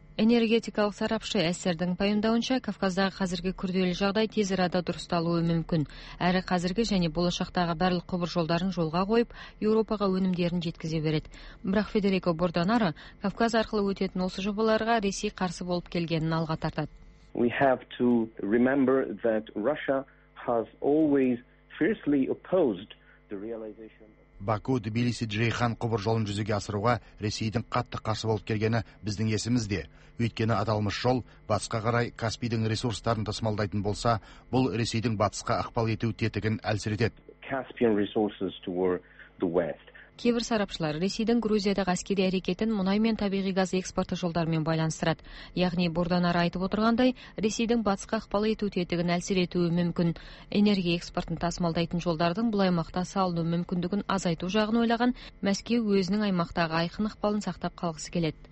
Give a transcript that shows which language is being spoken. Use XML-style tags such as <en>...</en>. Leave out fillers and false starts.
<kk>Энергетикалық сарапшы Эссердің пайымдауынша, Кавказдағы қазіргі күрделі жағдай тез арада дұрысталуы мүмкін. Әрі қазіргі және болашақтағы барлық құбыр жолдарын жолға қойып, Еуропаға өнімдерін жеткізе береді. Бірақ Федерико Бордонара Кавказ арқылы өтетін осы жобаларға Ресей қарсы болып келгенін алға тартады.</kk> <en>We have to remember that Russia has always fiercely opposed the realization of</en> <kk>Баку, Тбилиси, Джейхан құбыр жолын жүзеге асыруға Ресейдің қатты қарсы болып келгені біздің есімізде. Өйткені аталмыш жол батысқа қарай Каспийдің ресурстарын тасымалдайтын болса, бұл Ресейдің батысқа ықпал ету тетігін әлсіретеді.</kk> <en>Caspian resources toward the west.</en> <kk>Кейбір сарапшылар Ресейдің Грузиядағы әскери әрекетін мұнай мен табиғи газ экспорты жолдарымен байланыстырады. Яғни, бұрдан ары айтып отырғандай, Ресейдің батысқа ықпал ету тетігін әлсіретуі мүмкін. Энергия экспортын тасымалдайтын жолдардың бұл аймақта салыну мүмкіндігін азайту жағын ойлаған Мәскеу өзінің аймақтағы айқын ықпалын сақтап қалғысы келеді.</kk>